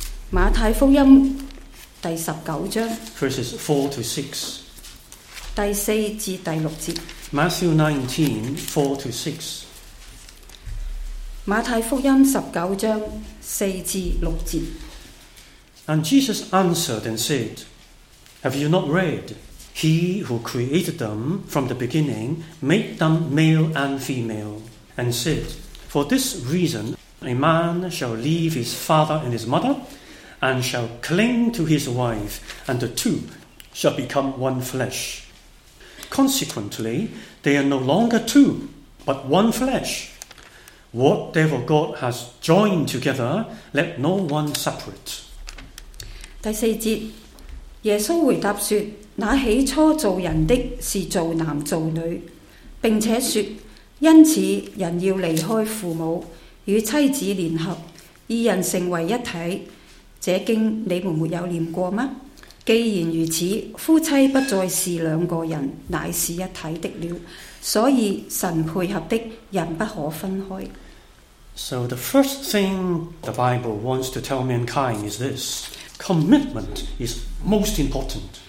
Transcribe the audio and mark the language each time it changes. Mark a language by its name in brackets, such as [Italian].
[Chinese] 马太福音第十九章。 [English] Verses 4-6。 [Chinese] 第四至第六节。 [English] Matthew 19:4-6 [Chinese] 马太福音十九章四至六节 [English] And Jesus answered and said, Have you not read? He who created them from the beginning made them male and female, and said, For this reason a man shall leave his father and his mother, and shall cling to his wife, and the two shall become one flesh. Consequently,They are no longer two, but one flesh. What therefore God has joined together, let no one separate. [Chinese] 第四节，耶稣回答说：那起初造人的是造男造女，并且说，因此人要离开父母，与妻子联合，二人成为一体。这经你们没有念过吗？既然如此，夫妻不再是两个人，乃是一体的了。所以神配合的人不可分开。 [English] So the first thing the Bible wants to tell mankind is this: commitment is most important.